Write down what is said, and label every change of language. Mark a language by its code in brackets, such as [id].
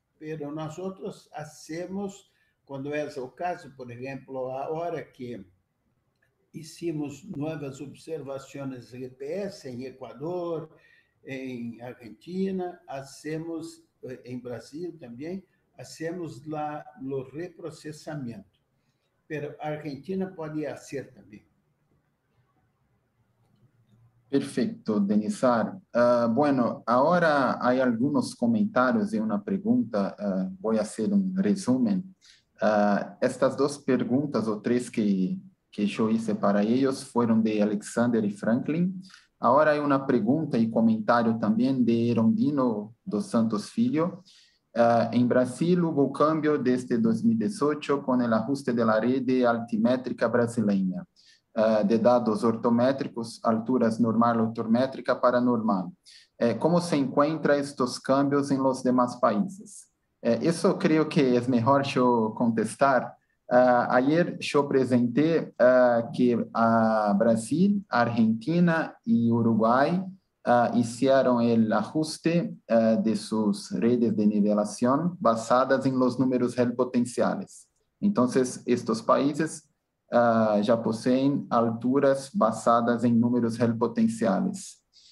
[pt] Mas nós outros fazemos, quando é o caso, por exemplo, a hora que [es] hicimos [pt] novas observações GPS em Equador, em Argentina, fazemos em Brasil também, fazemos lá o reprocessamento. Mas a Argentina pode fazer também. [es] Perfecto, Denizar. Bueno, ahora hay algunos comentarios y una pregunta. Voy a hacer un resumen. Estas dos preguntas o tres que yo hice para ellos fueron de Alexander y Franklin. Ahora hay una pregunta y comentario también de Erondino dos Santos Filho. En Brasil hubo cambio desde 2018 con el ajuste de la red altimétrica brasileña. [pt] De dados ortométricos, alturas normal, ortométrica, paranormal. [es] ¿Cómo se encuentran estos cambios en los demás países? Eso creo que es mejor yo contestar. Ayer yo presenté que Brasil, Argentina y Uruguay hicieron el ajuste de sus redes de nivelación basadas en los números real potenciales. Entonces, estos países [pt] já possuem alturas basadas em números real potenciais.